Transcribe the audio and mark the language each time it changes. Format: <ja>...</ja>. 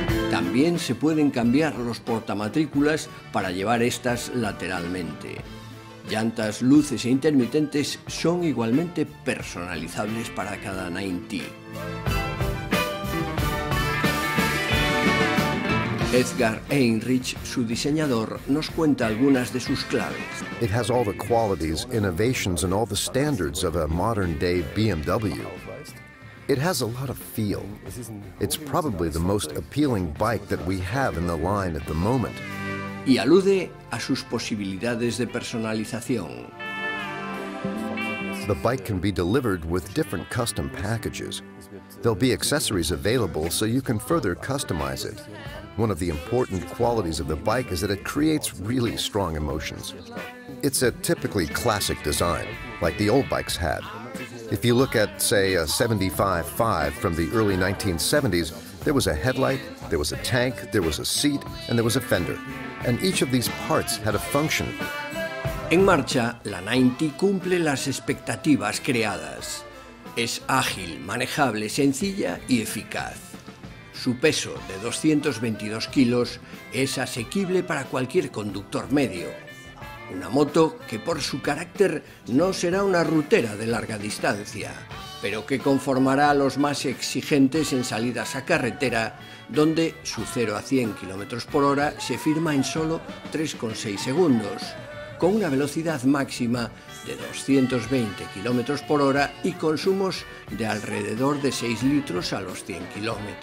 <es>También se pueden cambiar los portamatrículas para llevar estas lateralmente. Llantas, luces e intermitentes son igualmente personalizables para cada 90. Edgar Heinrich, su diseñador, nos cuenta algunas de sus claves.</es> <en>It has all the qualities, innovations and all the standards of a modern day BMW. It has a lot of feel. It's probably the most appealing bike that we have in the line at the moment.</en> <es>Y alude a sus posibilidades de personalización.</es> <en>The bike can be delivered with different custom packages. There'll be accessories available so you can further customize it. One of the important qualities of the bike is that it creates really strong emotions. It's a typically classic design, like the old bikes had. If you look at, say, a 75-5 from the early 1970s, there was a headlight, there was a tank, there was a seat, and there was a fender. And each of these parts had a function.</en> <es>En marcha, la 90 cumple las expectativas creadas. Es ágil, manejable, sencilla y eficaz. Su peso, de 222 kilos, es asequible para cualquier conductor medio. Una moto que por su carácter no será una rutera de larga distancia, pero que conformará a los más exigentes en salidas a carretera, donde su 0 a 100 km por hora se firma en solo 3,6 segundos, con una velocidad máxima de 220 km por hora y consumos de alrededor de 6 litros a los 100 km.</es>